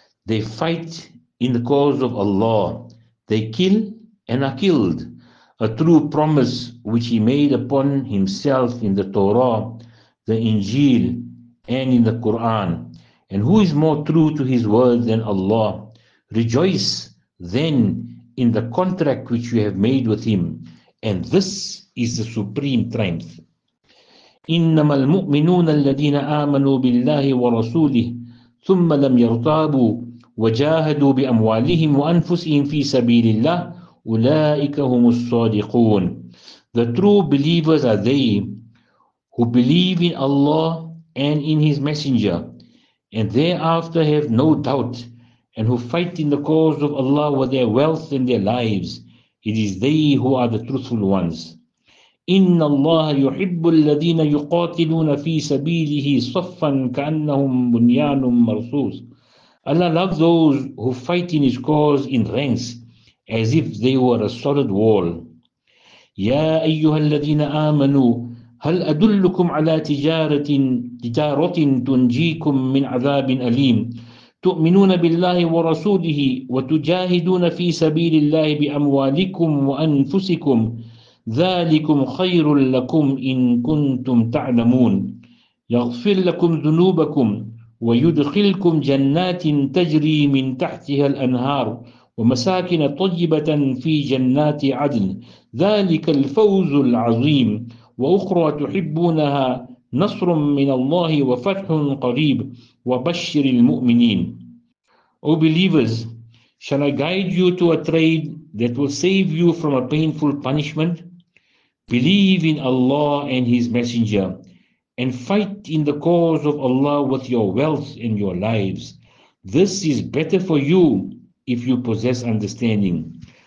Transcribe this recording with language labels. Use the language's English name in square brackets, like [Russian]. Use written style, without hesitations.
[English] They fight in the cause of Allah. They kill and are killed, a true promise which he made upon himself in the Torah, the Injil, and in the Quran. And who is more true to his word than Allah? Rejoice then in the contract which you have made with him. And this is the supreme triumph. [Arabic] إنما المؤمنون الذين آمنوا بالله ورسوله ثم لم يرتابوا وجاهدوا بأموالهم وأنفسهم في سبيل الله أولئك هم الصادقون. [English] The true believers are they who believe in Allah and in His Messenger, and thereafter have no doubt, and who fight in the cause of Allah with their wealth and their lives. It is they who are the truthful ones. [Arabic] إِنَّ اللَّهَ يُحِبُّ الَّذِينَ يُقَاتِلُونَ فِي سَبِيلِهِ صَفًّا كَأَنَّهُمْ بُنْيَانٌ مَرْصُوصٌ. [English] Allah loves those who fight in His cause in ranks as if they were a solid wall. [Arabic] يَا أَيُّهَا الَّذِينَ آمَنُوا هَلْ أَدُلُّكُمْ عَلَى تِجَارَةٍ تُنْجِيكُمْ مِنْ عَذَابٍ أَلِيمٍ تؤمنون بالله ورسوله وتجاهدون في سبيل الله بأموالكم وأنفسكم ذلكم خير لكم إن كنتم تعلمون يغفر لكم ذنوبكم ويدخلكم جنات تجري من تحتها الأنهار ومساكن طيبة في جنات عدن ذلك الفوز العظيم وأخرى تحبونها نصر من الله وفتح قريب وبشر المؤمنين. [English] O believers, shall I guide you to a trade that will save you from a painful punishment? Believe in Allah and His Messenger, and fight in the cause of Allah with your wealth and your lives. This is better for you if you possess understanding.